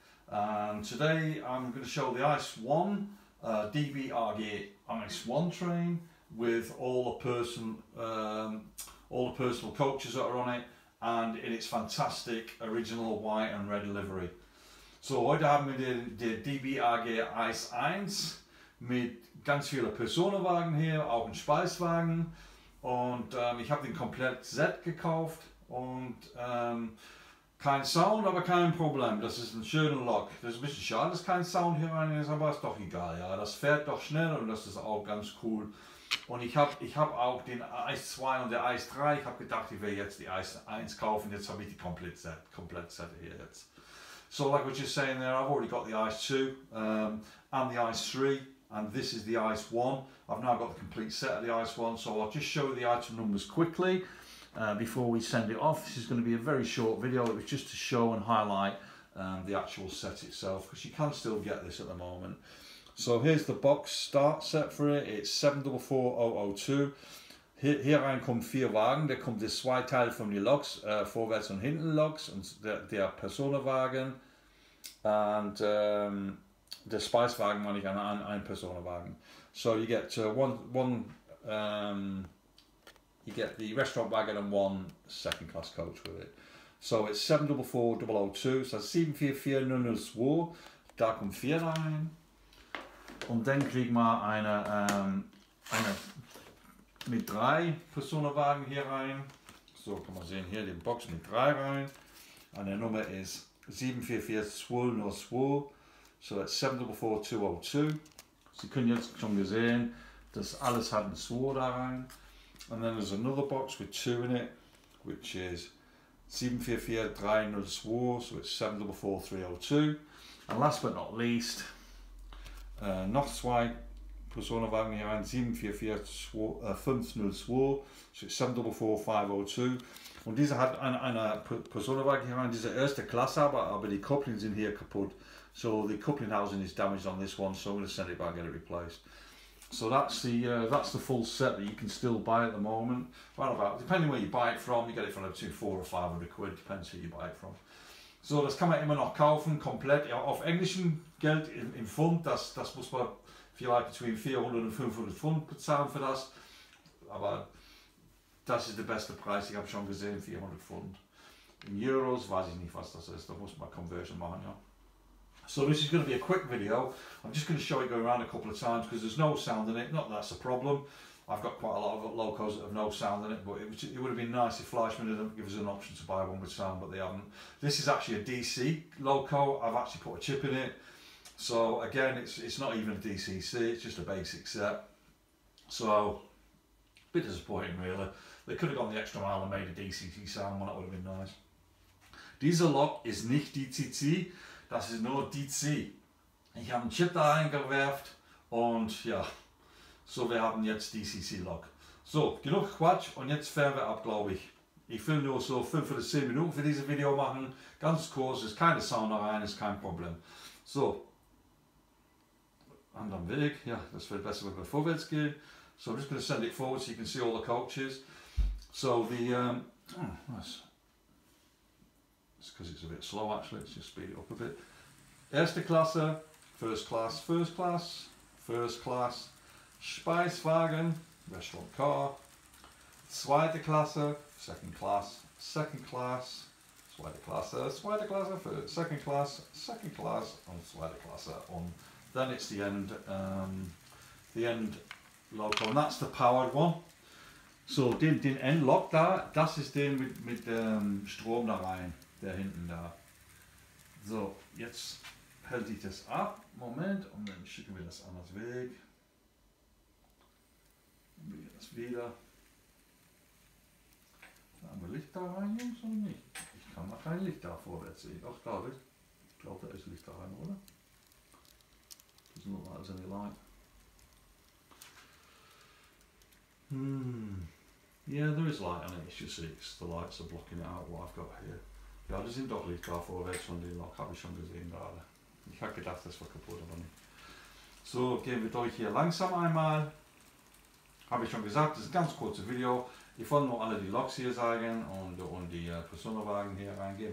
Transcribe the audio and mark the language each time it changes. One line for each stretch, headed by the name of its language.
English: And today I'm going to show the ICE 1 DBR gear ICE 1 train with all the personal coaches that are on it, and in its fantastic original white and red livery.
German: So heute haben wir den DBR gear ICE 1 mit ganz vielen Personenwagen hier, auch ein Speiswagen. Und ich habe den komplett Set gekauft und kein Sound, aber kein Problem. Das ist ein schöner Lock. Das ist ein bisschen schade, dass kein Sound hier rein ist, aber ist doch egal. Ja, das fährt doch schnell und das ist auch ganz cool. Und ich hab auch den ICE 2 und der ICE 3. Ich habe gedacht, ich werde jetzt die ICE 1 kaufen. Jetzt habe ich die komplett Set hier jetzt.
English: So, like what you're saying there, I've already got the ICE 2 and the ICE 3. And this is the ICE 1. I've now got the complete set of the ICE 1, so I'll just show you the item numbers quickly before we send it off. This is going to be a very short video. It was just to show and highlight the actual set itself, because you can still get this at the moment. So here's the box start set for it. It's 744002.
German: Here rein kommen vier Wagen. Da kommen die zwei Teile von den Loks, vorwärts und hinten Loks, und der Personenwagen.
English: And the
German: Speiswagen, meine ich, ein Personenwagen.
English: So you get the restaurant wagon and one second class coach with it. So it's 744002, so 744002,
German: da kommt vier rein. Und dann kriegen wir eine mit drei Personenwagen hier rein. So kann man sehen, hier den Box mit drei rein. Und der Nummer ist 744002.
English: So that's 744202.
German: Sie können jetzt schon gesehen, dass alles hat ein 2 da rein.
English: And then there's another box with 2 in it, which is 744302, so it's 744302. And last but not least,
German: noch zwei Personenwagen hier rein,
English: 744502, so it's 744502.
German: Und dieser hat eine Personenwagen hier rein, diese erste Klasse, aber die Kupplung sind hier kaputt.
English: So the coupling housing is damaged on this one, so I'm going to send it back and get it replaced. So that's the full set that you can still buy at the moment. Right about, depending where you buy it from, you get it from between 400 or 500 quid, depends who you buy it from.
German: So das kann man immer noch kaufen, komplett auf englischem Geld im Pfund. Das muss man vielleicht
English: between 400 and 500
German: Pfund bezahlen für das. Aber das ist der beste Preis, ich habe schon gesehen, 400 Pfund. In Euros weiß ich nicht, was das ist, da muss man Conversion machen, ja.
English: So this is going to be a quick video. I'm just going to show it going around a couple of times because there's no sound in it. Not that's a problem. I've got quite a lot of locos that have no sound in it, but it would have been nice if Fleischmann didn't give us an option to buy one with sound, but they haven't. This is actually a DC loco. I've actually put a chip in it. So again, it's not even a DCC. It's just a basic set. So a bit disappointing, really. They could have gone the extra mile and made a DCC sound one. That would have been nice.
German: Dieser Lok ist nicht DCC. Das ist nur DC. Ich habe einen Chip da eingewerft und ja, so wir haben jetzt DCC-Lock. So, genug Quatsch und jetzt fahren wir ab, glaube ich. Ich will nur so 5 oder 10 Minuten für dieses Video machen. Ganz kurz, ist keine Sound rein, ist kein Problem. So, anderen Weg. Ja, das wird besser, wenn wir vorwärts gehen.
English: So, I'm just going to send it forward so you can see all the coaches. So, it's because it's a bit slow actually, let's just speed it up a bit.
German: Erste Klasse,
English: First Class, First Class, First Class,
German: Speiswagen,
English: Restaurant Car,
German: Zweite Klasse,
English: Second Class, Second Class,
German: Zweite Klasse, Zweite Klasse,
English: Second Class, Second Class,
German: und Zweite Klasse.
English: And then it's the end local, and that's the powered one.
German: So den Endlock da, das ist den mit Strom da rein. Der hinten da. So, jetzt hält ich das ab. Moment, und dann schicken wir das anders weg. Und wir das wieder. Da haben wir Licht da rein, Jungs, oder nicht? Ich kann mal kein Licht da vorwärts sehen. Doch, glaube ich. Ich glaube, da ist Licht da rein, oder? Das ist normal, seine Light.
English: Yeah, there is light on it. It's just it's the lights are blocking it out, what I've got here.
German: Ja, das sind doch Lichter vorwärts von den Lok, habe ich schon gesehen gerade. Ich habe gedacht, das war kaputt, aber nicht. So, gehen wir durch hier langsam einmal. habe ich schon gesagt, das ist ein ganz kurzes Video. Ich wollte nur alle die Loks hier zeigen und die Personenwagen hier reingehen.